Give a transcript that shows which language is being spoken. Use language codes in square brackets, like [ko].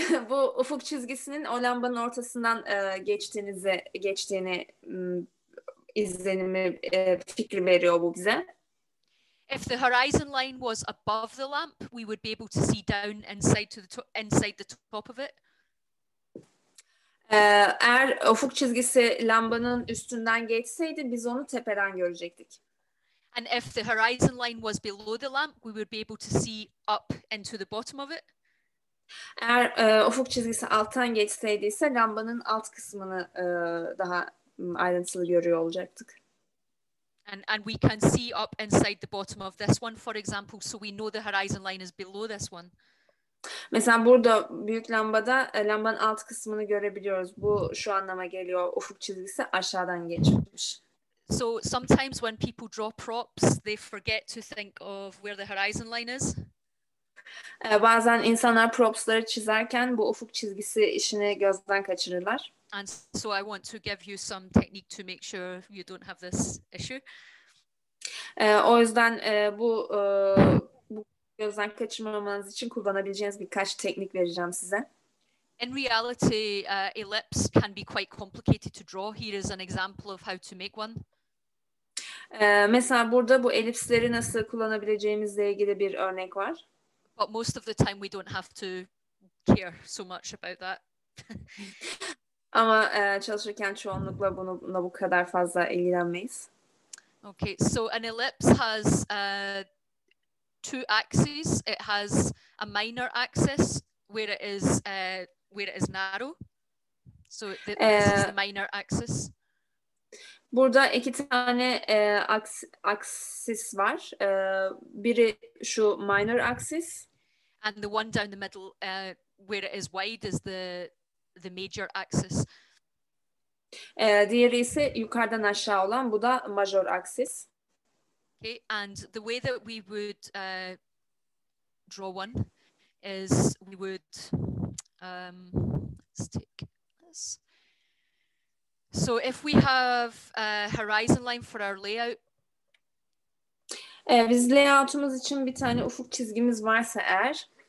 [tr] Bu ufuk çizgisinin o lambanın ortasından geçtiğini izlenimi, fikri veriyor bu bize. [en] If the horizon line was above the lamp, we would be able to see down inside the top of it. [tr] Eğer ufuk çizgisi lambanın üstünden geçseydi biz onu tepeden görecektik. [en] And if the horizon line was below the lamp, we would be able to see up into the bottom of it. [tr] Eğer ufuk çizgisi alttan geçseydi ise lambanın alt kısmını daha ayrıntılı görüyor olacaktık. [en] And we can see up inside the bottom of this one, for example, so we know the horizon line is below this one. [tr] Mesela burada büyük lambada lambanın alt kısmını görebiliyoruz. Bu şu anlama geliyor. Ufuk çizgisi aşağıdan geçmiş. [en] So sometimes when people draw props, they forget to think of where the horizon line is. [tr] Bazen insanlar propsları çizerken bu ufuk çizgisi işini gözden kaçırırlar. [en] And so I want to give you some technique to make sure you don't have this issue. [tr] O yüzden bu gözden kaçırmamanız için kullanabileceğiniz birkaç teknik vereceğim size. [en] In reality, ellipse can be quite complicated to draw. Here is an example of how to make one. [tr] Mesela burada bu ellipsleri nasıl kullanabileceğimizle ilgili bir örnek var. [en] But most of the time we don't have to care so much about that. [tr] Ama çalışırken çoğunlukla bununla bu kadar fazla ilgilenmeyiz. [en] Okay, so an ellipse has two axes. It has a minor axis where it is narrow. So this is the minor axis. [tr] Burada iki tane axis var. Biri şu minor axis. [en] And the one down the middle where it is wide is the major axis. [tr] Diğeri ise yukarıdan aşağı olan, bu da major axis. [en] Okay, and the way that we would draw one is we would let's take this. So if we have a horizon line for our layout. [tr] Biz layout'umuz için bir tane ufuk çizgimiz varsa eğer.